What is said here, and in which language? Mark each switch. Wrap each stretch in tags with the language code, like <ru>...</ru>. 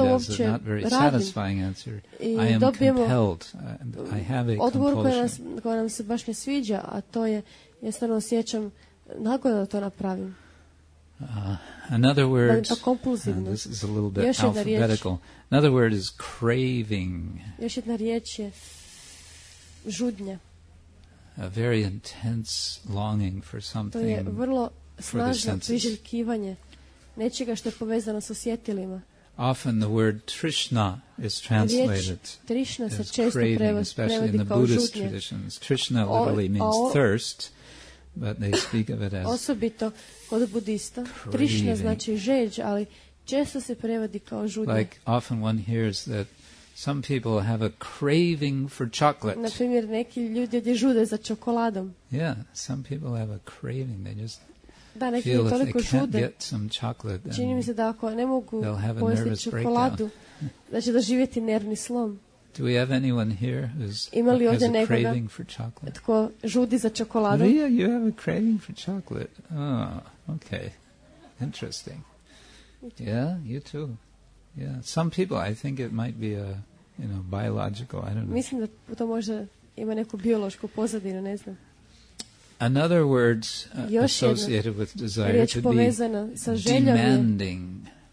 <en>as a not very satisfying answer, I am compelled, I have a</en> <hr>odgovor</hr> <en>compulsion.</en> <hr>Odgovor koja nam se baš ne sviđa, a to je, jednostavno osjećam nagodno da to napravim.</hr> <en>In other words, this is a little bit alphabetical. Another word is craving.</en> <hr>Još jedna riječ je žudnja.</hr> <en>A very intense longing for something.</en> <hr>To je vrlo snažno priželjkivanje nečega što je povezano s osjetilima.</hr> <en>Often the word Trishna is translated. Trishna as</en> <hr>se često</hr> <en>craving, especially in the Buddhist traditions. Trishna literally means thirst, but they speak of it as</en> <hr>osobito kod budista Trishna znači žeđ, ali često se prevodi kao žudnja.</hr> <en>Like often one hears that Some people have a craving for chocolate.</en> <hr>Na primjer, neki ljudi ovdje žude za čokoladom.</hr> <en>Yeah, some people have a craving. They just feel if they can't get some chocolate, then they'll have a nervous breakdown.</en> <hr>Da će doživjeti nervni slom.</hr> <en>Do we have anyone here who's has a craving for chocolate?</en> <hr>Tko žudi za čokoladom?</hr> <en>Yeah, you have a craving for chocolate. Oh, okay. Interesting. Yeah, you too. Yeah, some people, I think it might be a, you know, biological, I don't know.</en> <hr>Mislim da to može ima neku biološku pozadinu, ne znam.</hr> <en>Another word associated with desire could be demanding.</en>